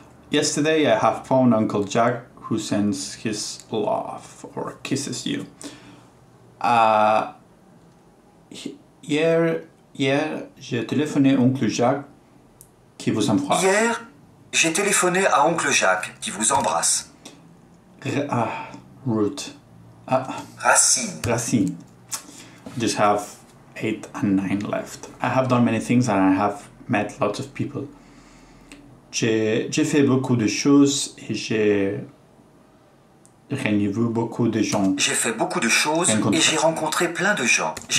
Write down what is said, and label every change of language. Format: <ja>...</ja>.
<en>Yesterday, I have phoned Uncle Jack, who sends his love or kisses you.</en> <fr>Hier, j'ai téléphoné Oncle Jack, qui vous embrasse. Hier, j'ai téléphoné à Oncle Jack, qui vous embrasse.</fr> <en>Root.</en> <fr>Racine.</fr> <en>Racine. Just have 8 and 9 left. I have done many things and I have met lots of people.</en> <fr>J'ai fait beaucoup de choses et j'ai rencontré beaucoup de gens. J'ai fait beaucoup de choses et j'ai rencontré plein de gens.</fr>